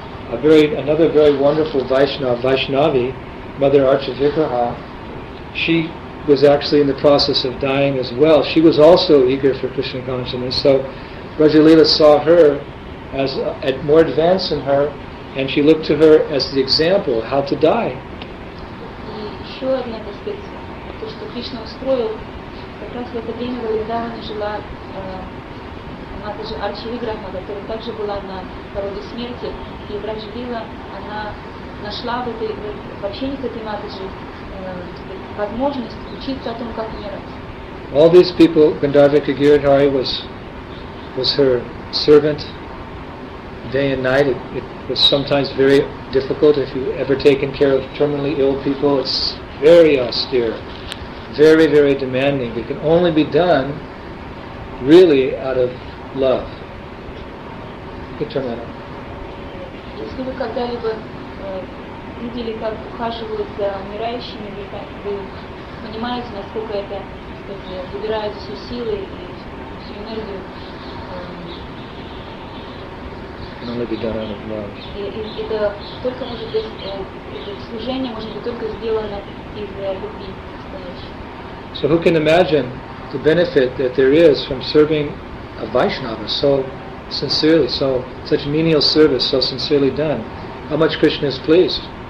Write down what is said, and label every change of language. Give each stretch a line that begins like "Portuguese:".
English: Another very wonderful Vaishnavi, Mother Archivikraha, she was actually in the process of dying as well. She was also eager for Krishna consciousness. So Rajalila saw her as more advanced than her, and she looked to her as the example how to die.
Russian: And еще одна, так сказать, то, что Кришна устроил, как раз в это время Валидана жила она же Арчивиграха, которая также была на пороге смерти. И Рачвила, она нашла в этой общении с этой матерью возможность учиться о том, как умирать.
English: All these people, Gandharvika Giridhari was her servant day and night. It was sometimes very difficult. If you've ever taken care of terminally ill people, it's very austere, very, very demanding. It can only be done really out of love. You can turn that on.
Russian: Если вы когда-либо видели, как ухаживают за умирающими, вы понимаете, насколько это, выбирают все силы и всю энергию. Это только может быть, это служение может быть только сделано из любви.
English: So who can imagine the benefit that there is from serving a Vaishnava so sincerely, so such menial service, so sincerely done. How much Krishna is pleased.